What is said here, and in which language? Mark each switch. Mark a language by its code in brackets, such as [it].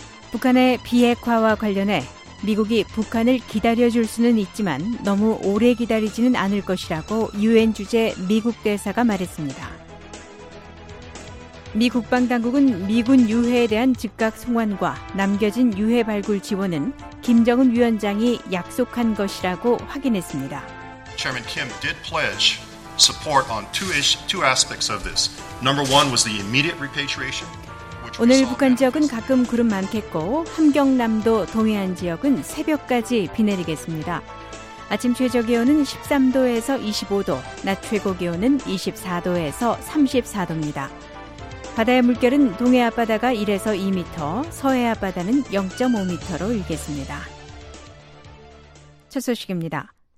[ko] 북한의 비핵화와 관련해 미국이 북한을 기다려줄 수는 있지만 너무 오래 기다리지는 않을 것이라고 유엔 주재 미국 대사가 말했습니다. 미 국방당국은 미군 유해에 대한 즉각 송환과 남겨진 유해 발굴 지원은 김정은 위원장이 약속한 것이라고 확인했습니다. [en] Chairman Kim did pledge support on two aspects of this. Number one was the immediate repatriation. [ko] 오늘 북한 지역은 가끔 구름 많겠고 함경남도 동해안 지역은 새벽까지 비 내리겠습니다. 아침 최저기온은 13도에서 25도, 낮 최고기온은 24도에서 34도입니다. 바다의 물결은 동해 앞바다가 1에서 2미터, 서해 앞바다는 0.5미터로 일겠습니다. 첫 소식입니다.